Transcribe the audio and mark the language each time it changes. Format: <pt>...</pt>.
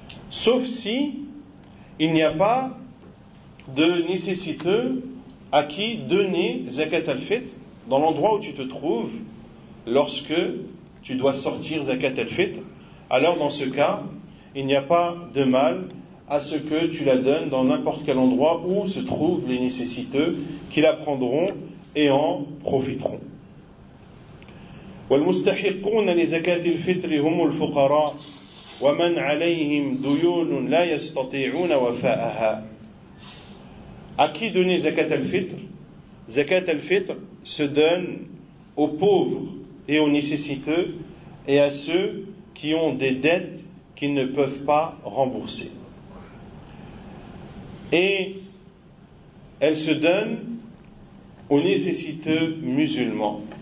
<fr>Sauf si il n'y a pas de nécessiteux à qui donner zakat al-fitr dans l'endroit où tu te trouves lorsque tu dois sortir zakat al-fitr. Alors dans ce cas, il n'y a pas de mal à ce que tu la donnes dans n'importe quel endroit où se trouvent les nécessiteux qui la prendront et en profiteront.</fr> <ar>والمستحقون لزكاة الفطر هم الفقراء ومن عليهم ديون لا يستطيعون وفاءها.</ar> <fr>À qui donner zakat al-fitr? Zakat al-fitr se donne aux pauvres et aux nécessiteux et à ceux qui ont des dettes qu'ils ne peuvent pas rembourser. Et elle se donne aux nécessiteux musulmans.</fr>